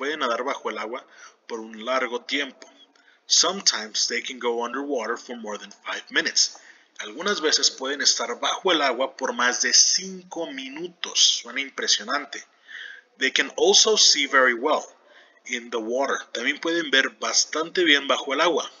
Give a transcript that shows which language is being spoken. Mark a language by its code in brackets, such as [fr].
[es] Pueden nadar bajo el agua por un largo tiempo. [en] Sometimes they can go underwater for more than 5 minutes. [es] Algunas veces pueden estar bajo el agua por más de 5 minutos. Suena impresionante. [en] They can also see very well in the water. [es] También pueden ver bastante bien bajo el agua.